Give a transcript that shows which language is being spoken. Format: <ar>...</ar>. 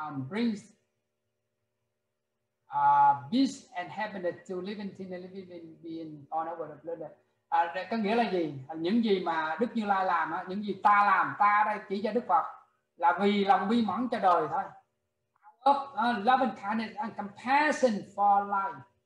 <en>Brings peace and happiness to living thing and living being on our planet.</en> <vi>Có nghĩa là gì? Những gì mà Đức Như Lai làm, những gì ta làm, ta đây chỉ cho Đức Phật, là vì lòng bi mẫn cho đời thôi.</vi> <en>Out of love and kindness and compassion for life.</en>